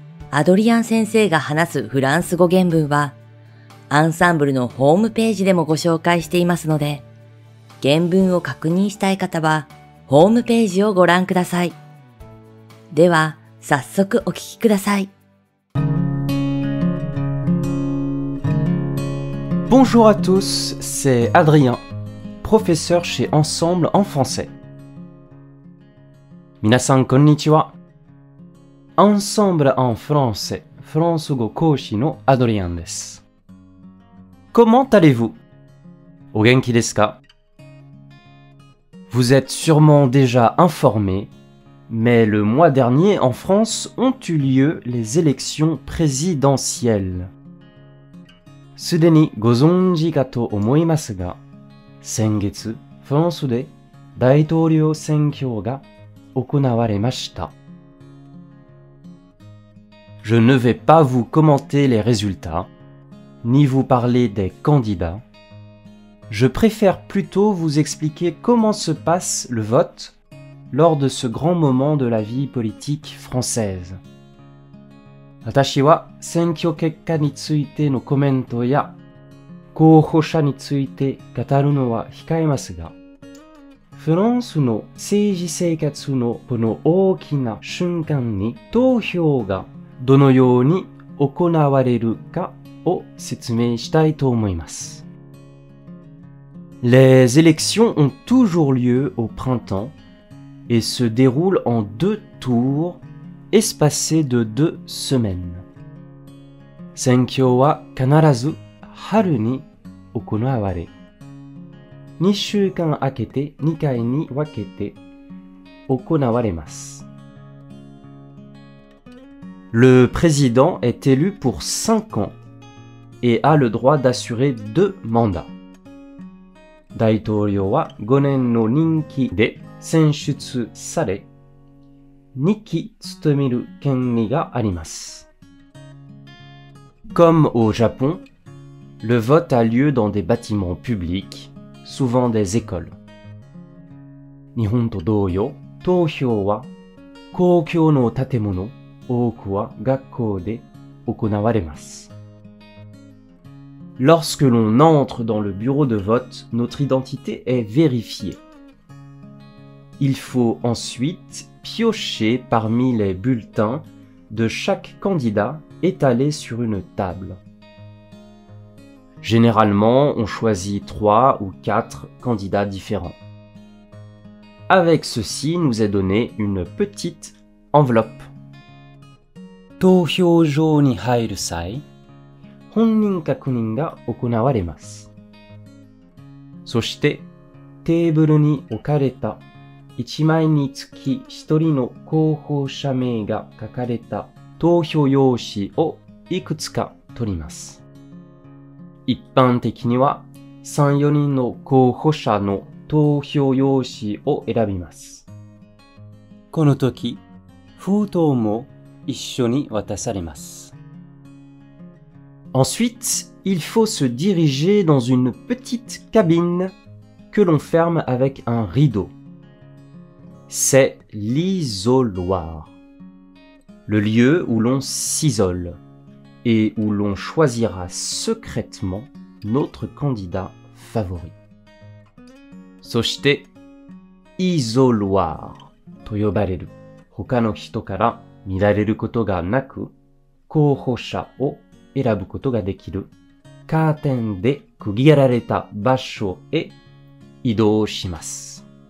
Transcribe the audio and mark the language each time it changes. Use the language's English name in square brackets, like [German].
[Japanese] アドリアン先生が話すフランス語原文はアンサンブルのホームページでもご紹介していますので、原文を確認したい方はホームページをご覧ください。では、早速お聞きください。 [French] Bonjour à tous, c'est Adrien, professeur chez Ensemble en français. [Japanese] 皆さん、こんにちは。 Ensemble en français、フランス語講師のアドリアンです。 [French] Comment allez-vous? [Japanese] お元気ですか？ [French] Vous êtes sûrement déjà informé, mais le mois dernier en France ont eu lieu les élections présidentielles. [Japanese] すでにご存知かと思いますが、先月フランスで大統領選挙が行われました。 [French] Je ne vais pas vous commenter les résultats, ni vous parler des candidats. Je préfère plutôt vous expliquer comment se passe le vote lors de ce grand moment de la vie politique française. [Japanese] 私は選挙結果についてのコメントや候補者について語るのは控えますが、フランスの政治生活のこの大きな瞬間に投票がどのように行われるかを説明したいと思います。 [French] Les élections ont toujours lieu au printemps et se déroulent en deux tours espacés de deux semaines. [Japanese] 選挙は必ず春に行われ、2週間空けて2回に分けて行われます。 [French] Le président est élu pour 5 ans et a le droit d'assurer 2 mandats. [Japanese] 大統領は5年の任期で選出され、2期務める権利があります。 [French] Comme au Japon, le vote a lieu dans des bâtiments publics, souvent des écoles. [Japanese] 日本と同様、投票は公共の建物、多くは学校で行われます。 [French] Lorsque l'on entre dans le bureau de vote, notre identité est vérifiée. Il faut ensuite piocher parmi les bulletins de chaque candidat étalés sur une table. Généralement, on choisit 3 ou 4 candidats différents. Avec ceci, nous est donnée une petite enveloppe. [Japanese] 投票所に入る際本人確認が行われます。そしてテーブルに置かれた1枚につき1人の候補者名が書かれた投票用紙をいくつか取ります。一般的には3、4人の候補者の投票用紙を選びます。この時、封筒も一緒に渡されます。 [French] Ensuite, il faut se diriger dans une petite cabine que l'on ferme avec un rideau. C'est l'isoloir, le lieu où l'on s'isole et où l'on choisira secrètement notre candidat favori. [Japanese] そして、isoloir と呼ばれる他の人から見られることがなく、候補者を選ぶことができるカーテンで区切られた場所へ移動します。